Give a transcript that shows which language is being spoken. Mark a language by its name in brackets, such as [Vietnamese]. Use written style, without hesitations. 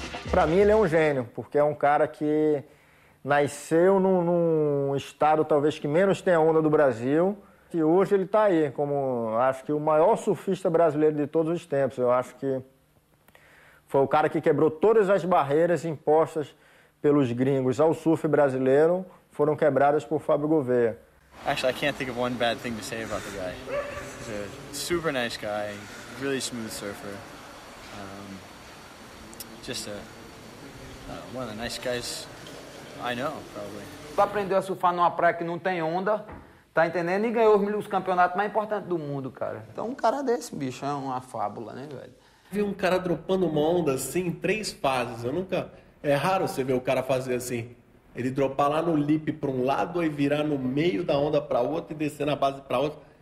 [Portuguese] Pra mim, ele é um gênio, porque é um cara que nasceu num estado, talvez, que menos tem a onda do Brasil. E hoje ele tá aí, como, acho que, o maior surfista brasileiro de todos os tempos. Eu acho que foi o cara que quebrou todas as barreiras impostas pelos gringos ao surf brasileiro, foram quebradas por Fábio Gouveia. [English] Actually, I can't think of one bad thing to say about the guy. He's a super nice guy, really smooth surfer. just a one of the nice guys I know, probably. [Portuguese] Tu aprendeu a surfar numa praia que não tem onda, tá entendendo? E ganhou os campeonatos mais importantes do mundo, cara. Então um cara desse, bicho, é uma fábula, né, velho? Vi um cara dropando uma onda assim em três fases. Eu nunca. É raro você ver o cara fazer assim. Ele dropar lá no lip pra um lado e virar no meio da onda pra outro e descer na base pra outra.